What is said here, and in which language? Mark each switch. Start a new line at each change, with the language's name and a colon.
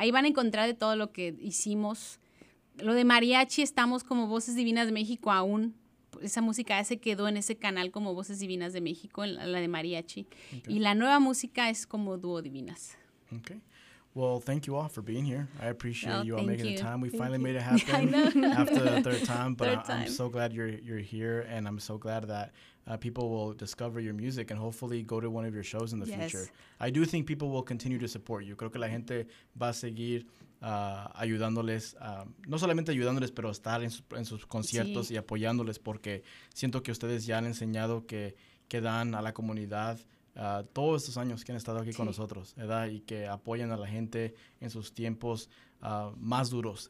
Spanish: Ahí van a encontrar de todo lo que hicimos. Lo de mariachi, estamos como Voces Divinas de México aún. Esa música se quedó en ese canal como Voces Divinas de México, la de mariachi. Okay. Y la nueva música es como Dúo Divinas.
English: Okay. Well, thank you all for being here. I appreciate you all making the time. We finally made it happen after the third time. But I'm so glad you're here, and I'm so glad that people will discover your music and hopefully go to one of your shows in the future. I do think people will continue to support you.
Spanish: Creo que la gente va a seguir ayudándoles, no solamente ayudándoles, pero estar en sus conciertos y apoyándoles, porque siento que ustedes ya han enseñado que dan a la comunidad todos estos años que han estado aquí con nosotros, ¿verdad? Y que apoyan a la gente en sus tiempos más duros.